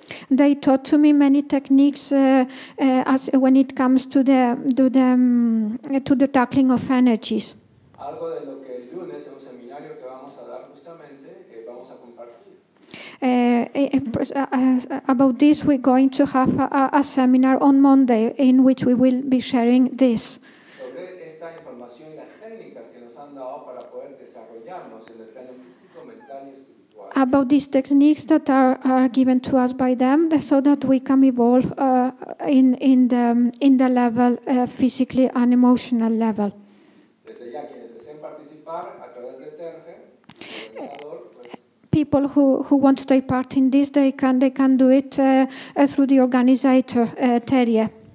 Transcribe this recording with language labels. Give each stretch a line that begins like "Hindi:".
English: They taught to me many techniques as when it comes to the tackling of energies.
Spanish: Algo de lo que el lunes en un seminario que vamos a dar justamente vamos a compartir.
English: About this, we're going to have a seminar on Monday in which we will be sharing this.
Spanish: Sobre esta información y las técnicas que nos han dado para poder desarrollarnos en el plano físico, mental y espiritual.
English: About these techniques that are given to us by them, so that we can evolve in the level physically and emotional level. People who want to take part in this, they can do it through the organizer Terje.